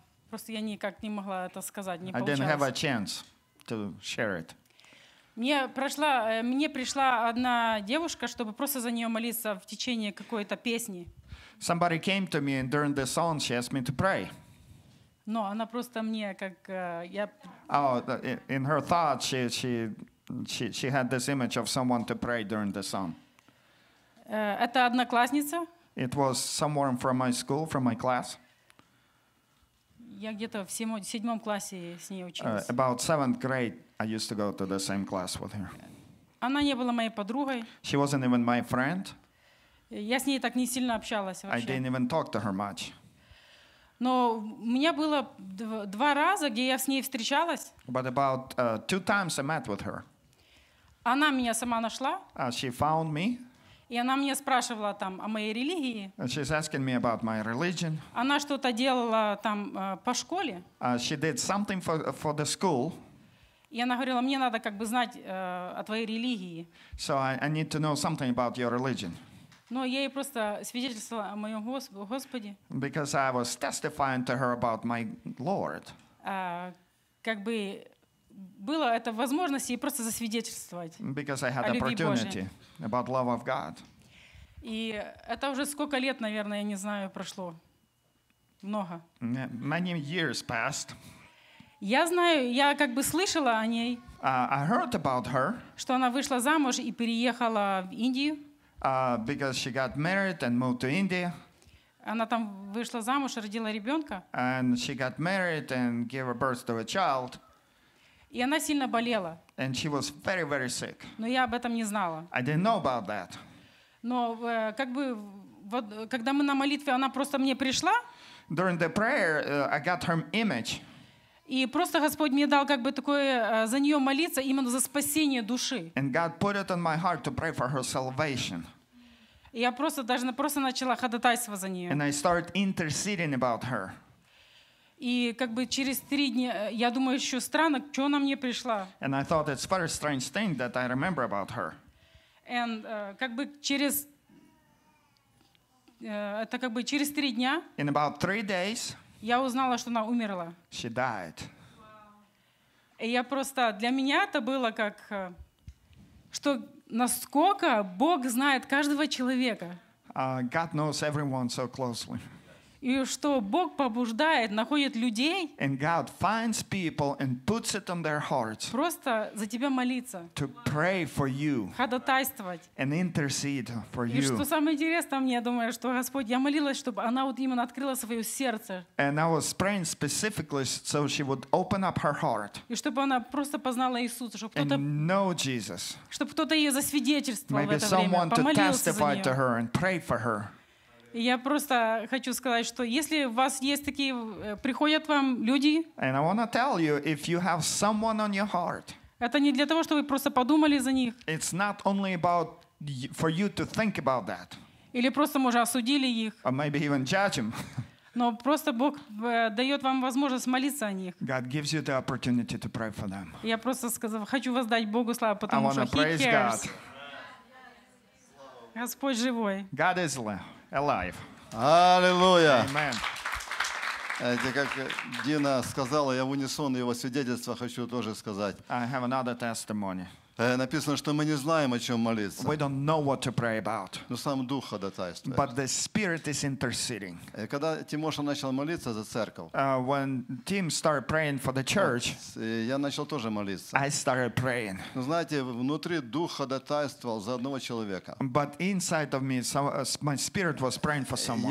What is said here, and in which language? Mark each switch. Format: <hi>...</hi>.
<ru>Просто я никак не могла это сказать, не получалось.</ru> <en>I didn't have a chance to share it.</en> <ru>Мне пришла одна девушка, чтобы просто за нее молиться в течение какой-то песни.</ru> <en>Somebody came to me and during the song she asked me to pray.</en> <ru>Но она просто мне как я.</ru> <en>Oh, in her thoughts she had this image of someone to pray during the song.</en> <ru>Это одноклассница?</ru> <en>It was someone from my school, from my class.</en> <ru>Я где-то в седьмом классе с ней училась.</ru> <en>About seventh grade. I used to go to the same class with her.</en> <ru>Она не была моей подругой.</ru> <en>She wasn't even my friend.</en> <ru>Я с ней так не сильно общалась вообще.</ru> <en>I didn't even talk to her much.</en> <ru>Но у меня было два раза, где я с ней встречалась.</ru> <en>But about two times I met with her.</en> <ru>Она меня сама нашла.</ru> <en>She found me.</en> <ru>И она меня спрашивала там о моей религии.</ru> <en>She's asking me about my religion.</en> <ru>Она что-то делала там по школе.</ru> <en>She did something for the school.</en> <ru>И она говорила, мне надо как бы знать о твоей религии.</ru> <en>So I need to know something about your religion.</en> <ru>Но я ей просто свидетельствовала о моем Господе.</ru> <en>Because I was testifying to her about my Lord.</en> <ru>Как бы было это возможность ей просто засвидетельствовать.</ru> <en>Because I had opportunity about love of God.</en> <ru>И это уже сколько лет, наверное, я не знаю, прошло. Много.</ru> <en>Many years passed.</en> <ru>Я знаю, я как бы слышала о ней,</ru> <en>I heard about her,</en> <ru>что она вышла замуж и переехала в Индию.</ru> <en>Because she got married and moved to India.</en> <ru>Она там вышла замуж и родила ребенка.</ru> <en>And she got married and gave birth to a child.</en> <ru>И она сильно болела.</ru> <en>And she was very, very sick.</en> <ru>Но я об этом не знала.</ru> <en>I didn't know about that.</en> <ru>Но как бы вот, когда мы на молитве, она просто мне пришла.</ru> <en>During the prayer, I got her image.</en> <ru>И просто Господь мне дал как бы такое за нее молиться, именно за спасение души.</ru> <en>And God put it on my heart to pray for her salvation.</en> <ru>И я просто даже просто начала ходатайство за нее.</ru> <en>And I started interceding about her.</en> <ru>И как бы через три дня, я думаю, еще странно, что она мне пришла.</ru> <en>And I thought it's very strange thing that I remember about her.</en> <ru>And как бы через это как бы через три дня.</ru> <en>In about three days.</en> <ru>Я узнала, что она умерла.</ru> <en>She died.</en> <ru>И я просто, для меня это было как, что насколько Бог знает каждого человека.</ru> <en>God knows everyone so closely.</en> <ru>И что Бог побуждает, находит людей.</ru> <en>And God finds people and puts it on their hearts.</en> <ru>Просто за тебя молиться.</ru> <en>To pray for you.</en> <ru>Ходатайствовать.</ru> <en>And intercede for you.</en> <ru>И что самое интересное, мне, я думаю, что Господь, я молилась, чтобы она вот именно открыла свое сердце.</ru> <en>And I was praying specifically so she would open up her heart.</en> <ru>И чтобы она просто познала Иисуса, чтобы кто-то.</ru> <en>And know Jesus.</en> <ru>Чтобы кто-то ее засвидетельствовал.</ru> <en>Maybe</en> <ru>в это</ru> <en>someone</en> <ru>время,</ru> <en>to testify to her and pray for her.</en> <ru>Я просто хочу сказать, что если у вас есть такие, приходят вам люди, это не для того, чтобы вы просто подумали за них.</ru> <en>It's not only about for you to think about that.</en> <ru>Или просто, может, осудили их.</ru> <en>Or maybe even judge them.</en> <ru>Но просто Бог дает вам возможность молиться о них.</ru> <en>God gives you the opportunity to pray for them.</en> <ru>Я просто сказал, хочу воздать Богу славу, потому что</ru> <en>He cares. God.</en> <ru>Господь живой.</ru> <en>God is alive. Alive.</en> <ru>Аллилуйя.</ru> <en>Amen.</en> <ru>Знаете, как Дина сказала, я в унисон его свидетельства хочу тоже сказать.</ru> <en>I have another testimony.</en> <ru>Написано, что мы не знаем, о чем молиться.</ru> <en>We don't know what to pray about.</en> <ru>Но сам Дух ходатайствует.</ru> <en>But the Spirit is interceding.</en> <ru>Когда Тимоша начал молиться за церковь,</ru> <en>When Tim started praying for the church,</en> <ru>я начал тоже молиться.</ru> <en>I started praying.</en> <ru>Но знаете, внутри Дух ходатайствовал за одного человека.</ru> <en>But inside of me, my Spirit was praying for someone.</en>